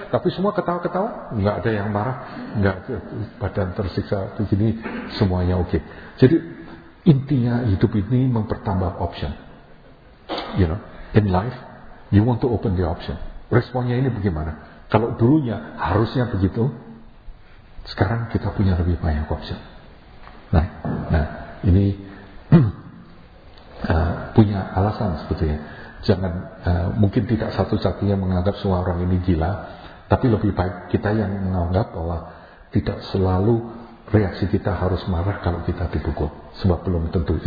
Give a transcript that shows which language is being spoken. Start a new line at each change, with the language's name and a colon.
Indonesian: Tapi semua ketawa-ketawa, nggak ada yang marah, nggak badan tersiksa di sini, semuanya oke. Jadi intinya hidup ini mempertambah option.
English: You know, in life, you want to open the option.
Indonesian: Responnya ini bagaimana? Kalau dulunya harusnya begitu, sekarang kita punya lebih banyak option. Nah ini punya alasan sebetulnya. Jangan mungkin tidak satu-satunya menganggap semua orang ini gila, tapi lebih baik kita yang menganggap bahwa tidak selalu reaksi kita harus marah kalau kita dipukul, sebab belum tentu.